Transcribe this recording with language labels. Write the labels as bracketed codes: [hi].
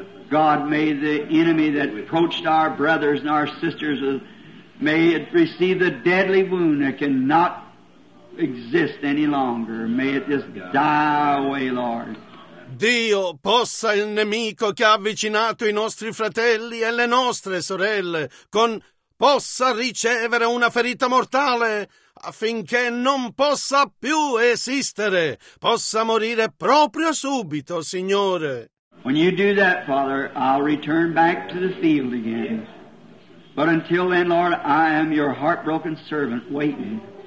[en] God, may the enemy that approached our brothers and our sisters, may it receive the deadly wound that cannot exist any longer. May it just die away, Lord. [it] Dio, possa il nemico che ha avvicinato i nostri fratelli e le nostre sorelle possa ricevere una ferita mortale affinché non possa più esistere, possa morire proprio subito, Signore. [en] When you do that, Father, I'll return back to the field again. But until then, Lord, I am your heartbroken servant, waiting.